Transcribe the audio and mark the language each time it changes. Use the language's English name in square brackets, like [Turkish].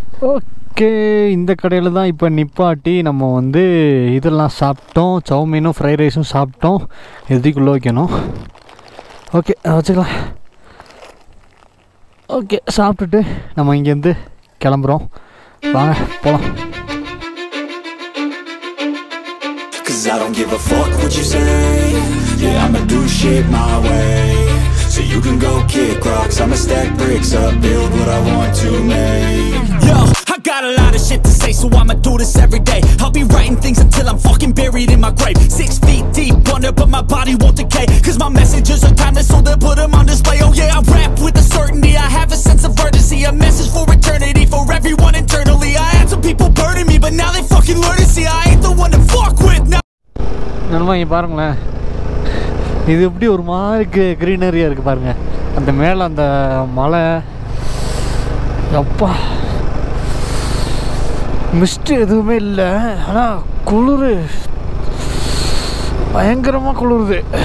[Tamil] Okay, இந்த கடையில் தான் இப்போ நிப்பாட்டி நம்ம வந்து இதெல்லாம் சாப்பிட்டோம், சவுமீனும் ஃப்ரைட் ரைஸும் சாப்பிட்டோம். எதுக்குள்ளே வைக்கணும், ஓகே வச்சுக்கலாம். ஓகே சாப்பிட்டுட்டு நம்ம இங்கேருந்து கிளம்புறோம், வாங்க போலாம். [English] Cause I don't give a fuck what you say. Yeah, I'ma do shit my way. So you can go kick rocks, I'ma stack bricks up, build what I want to make. Yo, I got a lot of shit to say, so I'ma do this every day. I'll be writing things until I'm fucking buried in my grave. 6 feet deep under, but my body won't decay. Cause my messages are timeless, so they'll put them on display. Oh yeah, I rap with a certainty, I have a sense of urgency. A message for eternity, for everyone internally. I had some people burning me, but now they fucking learn to see. I ain't the one to fuck with now. [Tamil] நண்பா இங்கே பாருங்களேன், இது எப்படி ஒரு மாதிரி க்ரீனரியாக இருக்குது பாருங்கள், அந்த மேலே அந்த மலை. அப்பா மிஸ்ட் எதுவுமே இல்லை, ஆனால் குளிர் பயங்கரமாக குளிருது.